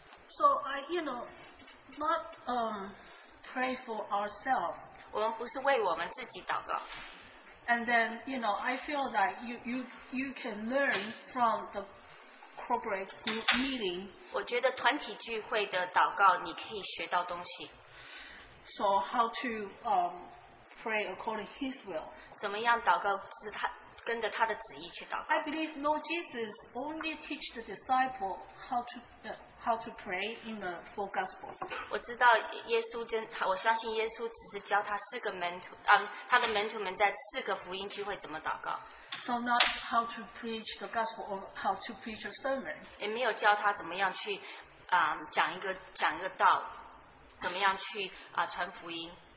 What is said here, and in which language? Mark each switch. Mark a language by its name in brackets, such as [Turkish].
[English] So I, you know, not pray for ourselves. [Chinese] 我们不是为我们自己祷告。 [English] And then, you know, I feel that you can learn from the corporate group meeting. [Chinese] 我觉得团体聚会的祷告，你可以学到东西。 [English] So how to pray according to His will? [Chinese] 怎么样祷告是他。 [English] I believe Lord Jesus only teach the disciple how to pray in the four gospels. [Chinese] 我知道耶稣真，我相信耶稣只是教他四个门徒，他的门徒们在四个福音聚会怎么祷告。 [English] found out how to preach the gospel or how to preach a sermon. [Chinese] 也没有教他怎么样去, 讲一个道, 怎么样去, 传福音。